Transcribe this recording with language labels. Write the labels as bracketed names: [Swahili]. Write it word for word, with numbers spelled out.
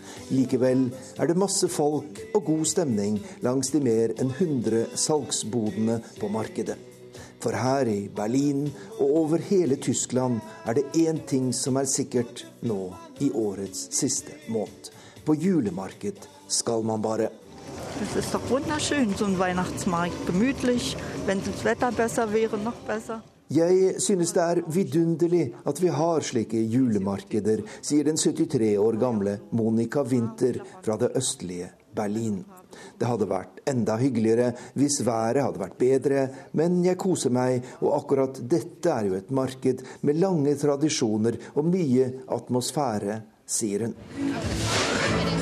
[Norwegian] Likevel er det masse folk og god stemning langs de mer enn hundre salgsbodene på markedet. For her i Berlin og over hele Tyskland er det én ting som er sikkert nå i årets siste måned. På julemarked skal man bare. [German] Det er doch wunderschön, so ein Weihnachtsmarkt, gemütlich, wenn das Wetter besser wäre, noch besser. [Norwegian] Jeg synes det er vidunderlig at vi har slike julemarkeder, sier den syttitre år gamle Monica Winter fra det østlige Berlin. Det hadde vært enda hyggeligere hvis været hadde vært bedre, men jeg koser meg, og akkurat dette er jo et marked med lange tradisjoner og mye atmosfære, sier hun.